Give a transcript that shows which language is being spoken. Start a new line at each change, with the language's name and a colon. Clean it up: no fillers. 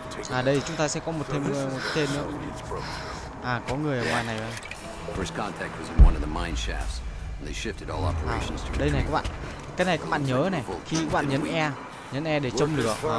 Vietnamese: À đây, chúng ta sẽ có một thêm một tên nữa. À, có người ở ngoài này rồi.
English: First contact was in one of the mine shafts. They shifted all operations to.
Vietnamese: Đây này các bạn. Cái này các bạn nhớ này, khi các bạn nhấn E để trông lửa.